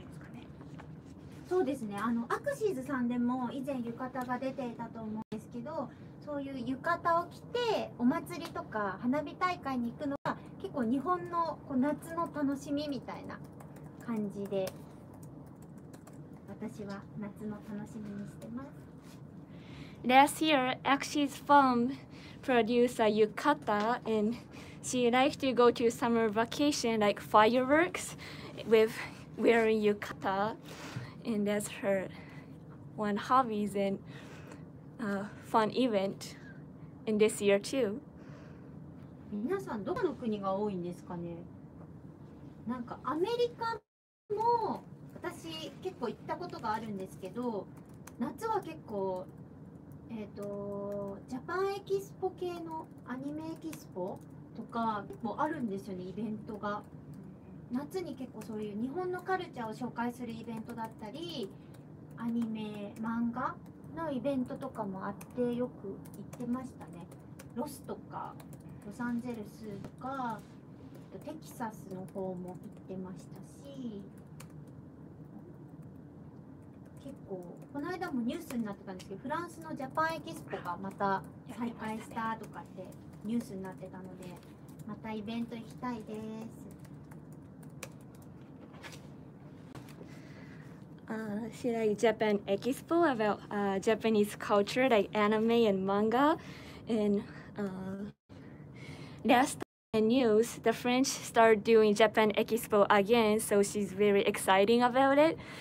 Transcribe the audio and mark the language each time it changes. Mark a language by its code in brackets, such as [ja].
[ja] ですかね。そうですね。あのアクシーズさんでも以前yukataが出ていたと思うんですけど、そういう浴衣を着てお祭りとか花火大会に行くのは結構日本のこう夏の楽しみみたいな感じで、私は夏の楽しみにしてます。 [en] Last year, Axie's firm produced a yukata and she likes to go to summer vacation like fireworks with wearing yukata and that's her one hobbies andfun event in this year too. [ja] 皆さんどこの国が多いんですかね。なんかアメリカも私結構行ったことがあるんですけど、夏は結構ジャパンエキスポ系のアニメエキスポとか結構あるんですよね、イベントが。夏に結構そういう日本のカルチャーを紹介するイベントだったり、アニメ漫画のイベントとかもあってよく行ってましたね。ロスとかロサンゼルスとかテキサスの方も行ってましたし、結構この間もニュースになってたんですけど、フランスのジャパンエキスポがまた再開したとかってニュースになってたので、またイベント行きたいです。 [en] She likes Japan Expo about Japanese culture like anime and manga. And last news, the French start doing Japan Expo again, so she's very excited about it.